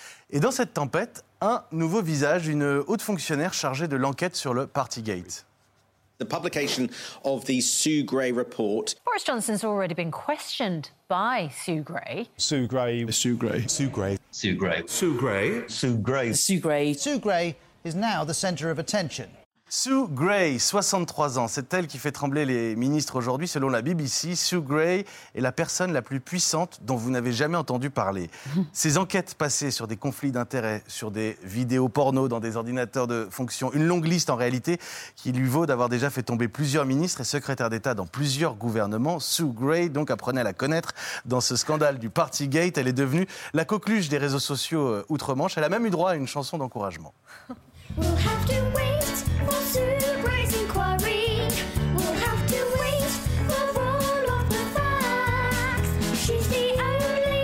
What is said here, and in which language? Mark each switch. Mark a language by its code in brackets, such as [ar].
[fr] Et dans cette tempête, un nouveau visage, une haute fonctionnaire chargée de l'enquête sur le Partygate. [en] The publication of the Sue Gray report. Boris Johnson's already been questioned by Sue Gray. Sue Gray. Sue Gray. Sue Gray. Sue Gray. Sue Gray. Sue Gray. Sue Gray. Sue Gray is now the centre of attention. [fr] Sue Gray, 63 ans, c'est elle qui fait trembler les ministres aujourd'hui. Selon la BBC, Sue Gray est la personne la plus puissante dont vous n'avez jamais entendu parler. Ses enquêtes passées sur des conflits d'intérêts, sur des vidéos porno dans des ordinateurs de fonction, une longue liste en réalité qui lui vaut d'avoir déjà fait tomber plusieurs ministres et secrétaires d'État dans plusieurs gouvernements. Sue Gray, donc, apprenait à la connaître dans ce scandale du Partygate. Elle est devenue la coqueluche des réseaux sociaux outre-Manche. Elle a même eu droit à une chanson d'encouragement. [en] We'll have to wait for Sue Gray's inquiry. We'll have to wait for all of the facts. She's the only